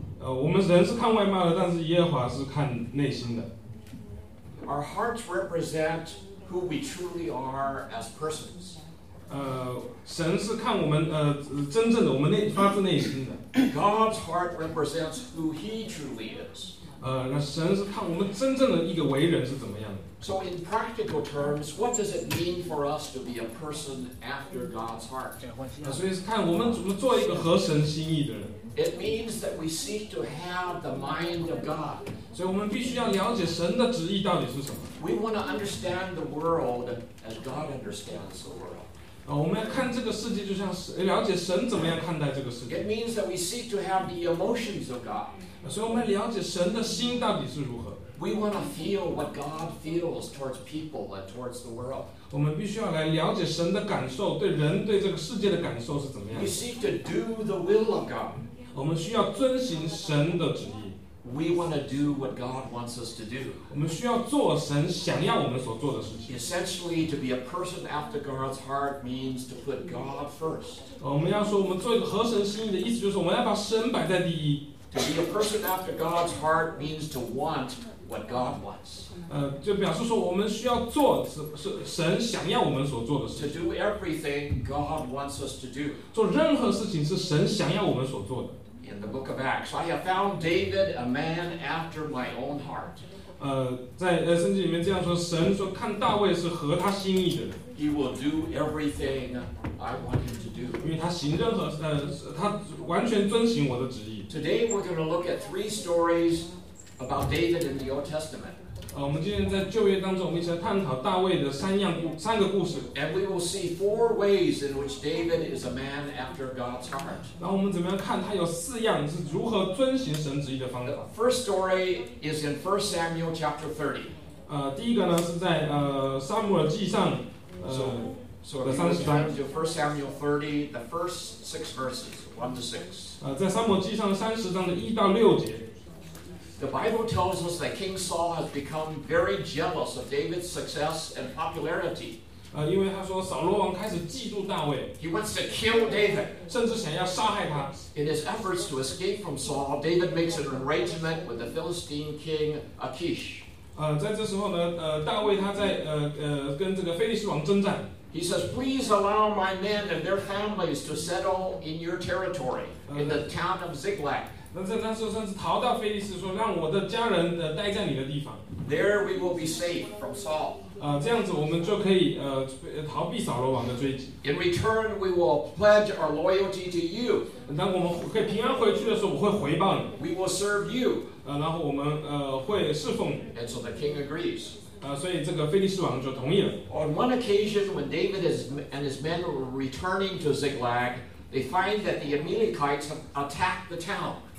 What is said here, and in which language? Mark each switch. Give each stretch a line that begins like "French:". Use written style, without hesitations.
Chinese: 我们人是看外貌的，但是耶和华是看内心的。
English: Our hearts represent who we truly are as persons.
Chinese: 神是看我们真正的我们发自内心的。
English: God's heart represents who He truly is.
Chinese: 那神是看我们真正的一个为人是怎么样的。
English: So in practical terms, what does it mean for us to be a person after God's heart?
Chinese: 所以是看我们怎么做一个合神心意的人。
English: It means that we seek to have the mind of God.
Chinese: 所以我们必须要了解神的旨意到底是什么。
English: We want to understand the world as God understands the world.
Chinese: 我们要看这个世界就像是了解神怎么样看待这个世界。
English: It means that we seek to have the emotions of God.
Chinese: 所以我们了解神的心到底是如何。
English: We want to feel what God feels towards people and towards the world.
Chinese: 我们必须要来了解神的感受，对人对这个世界的感受是怎么样。
English: We seek to do the will of God.
Chinese: 我们需要遵行神的旨意。
English: We want to do what God wants us to do.
Chinese: 我们需要做神想要我们所做的事情。
English: Essentially, to be a person after God's heart means to put God first.
Chinese: 我们要说我们做一个合神心意的意思就是我们要把神摆在第一。
English: To be a person after God's heart means to want what God wants.
Chinese: 就表示说我们需要做神想要我们所做的事情。
English: To do everything God wants us to do.
Chinese: 做任何事情是神想要我们所做的。
English: In the book of Acts, I have found David a man after my own heart.
Chinese: 在圣经里面这样说，神说看大卫是合他心意的人。
English: He will do everything I want him to do.
Chinese: 因为他行任何他完全遵行我的旨意。
English: Today we're going to look at three stories about David in the Old Testament.
Chinese: 我们今天在旧约当中，我们一起来探讨大卫的三个故事。
English: And we will see four ways in which David is a man after God's heart.
Chinese: 然后我们怎么样看他有四样是如何遵行神旨意的方法。
English: The first story is in 1 Samuel chapter 30.
Chinese: 第一个呢是在撒母耳记上的三十章。
English: So 1 Samuel 30, the first six verses, 1-6.
Chinese: 在撒母耳记上三十章的一到六节。
English: The Bible tells us that King Saul has become very jealous of David's success and popularity.
Chinese: 因为他说扫罗王开始嫉妒大卫。
English: He wants to kill David.
Chinese: 甚至想要杀害他。
English: In his efforts to escape from Saul, David makes an arrangement with the Philistine king Achish.
Chinese: 在这时候呢，大卫他在跟这个非利士王征战。
English: He says, please allow my men and their families to settle in your territory, in the town of Ziklag.
Chinese: 那是逃到腓力斯说让我的家人待在你的地方。
English: There we will be safe from Saul.
Chinese: 这样子我们就可以逃避扫罗王的追击。
English: In return, we will pledge our loyalty to you.
Chinese: 当我们可以平安回去的时候，我会回报你。
English: We will serve you.
Chinese: 然后我们会侍奉你。
English: And so the king agrees.
Chinese: 所以这个腓力斯王就同意了。
English: On one occasion, when David and his men were returning to Ziklag, they find that the Amalekites have attacked the town.